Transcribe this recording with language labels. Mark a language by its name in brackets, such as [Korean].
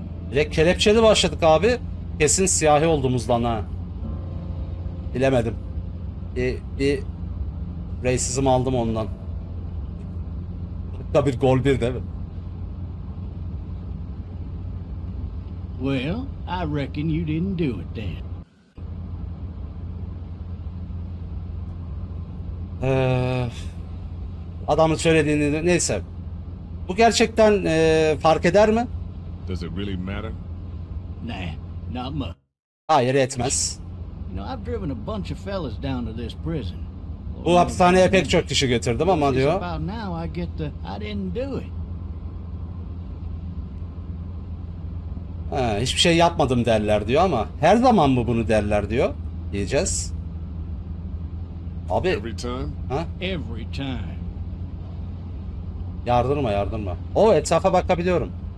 [Turkish] Direkt kelepçeli başladık abi. Kesin siyahi olduğumuzdan ha. Bilemedim. Bir racism aldım ondan. Hatta bir gol bir değil mi? [English] Well, I reckon you didn't do it then. [Turkish] Adamın söylediğini neyse. Bu gerçekten fark eder mi? [English] Does it really matter? Nah, not much. [Turkish] Hayır, etmez. [English] You know, I've driven a bunch of fellas down to this prison. [Turkish] Bu hapishaneye pek çok kişi götürdüm ama diyor. [English] About now I get the I didn't do it. [Turkish] Ha, hiçbir şey yapmadım derler diyor ama her zaman mı bunu derler diyor. Diyeceğiz. Abi. [English] Every time. Ha? Every time. [Turkish] Yardırma, yardırma. O etrafa bakabiliyorum.